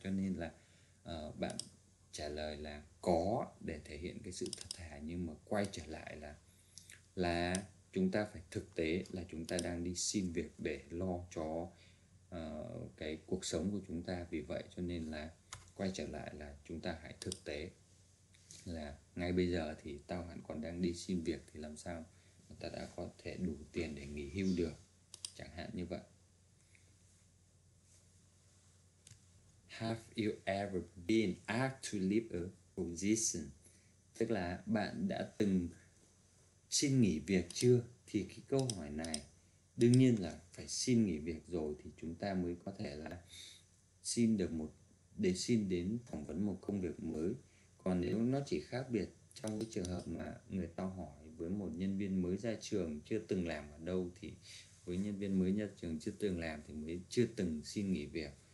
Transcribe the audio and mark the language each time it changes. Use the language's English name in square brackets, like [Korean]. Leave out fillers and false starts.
[Vietnamese] Cho nên là bạn trả lời là có để thể hiện cái sự thật thà, nhưng mà quay trở lại là chúng ta phải thực tế là chúng ta đang đi xin việc để lo cho cái cuộc sống của chúng ta. Vì vậy cho nên là quay trở lại là chúng ta hãy thực tế là ngay bây giờ thì tao hẳn còn đang đi xin việc thì làm sao ta đã có thể đủ tiền để nghỉ hưu được, chẳng hạn như vậy. [English] Have you ever been asked to leave a position? [Vietnamese] Tức là bạn đã từng xin nghỉ việc chưa? Thì cái câu hỏi này đương nhiên là phải xin nghỉ việc rồi thì chúng ta mới có thể là xin được một, để xin đến phỏng vấn một công việc mới. Còn nếu nó chỉ khác biệt trong cái trường hợp mà người ta hỏi với một nhân viên mới ra trường chưa từng làm ở đâu, thì với nhân viên mới ra trường chưa từng làm thì mới chưa từng xin nghỉ việc.